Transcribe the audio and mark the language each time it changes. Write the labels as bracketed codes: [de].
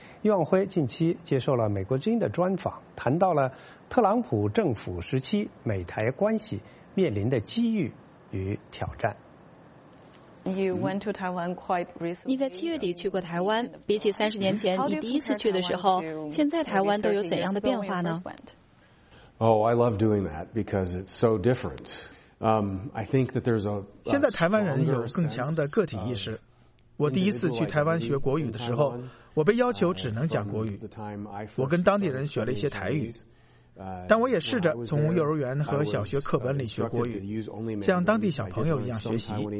[zh] 叶望辉近期接受了美国之音的专访，谈到了特朗普政府时期美台关系面临的机遇与挑战。你在7月底去过台湾，比起30年前你第一次去的时候，现在台湾都有怎样的变化呢？ [en] I love doing that because it's so different. I think that there's a [zh] 现在台湾人有更强的个体意识。我第一次去台湾学国语的时候，我被要求只能讲国语，我跟当地人学了一些台语，但我也试着从幼儿园和小学课本里学国语，像当地小朋友一样学习。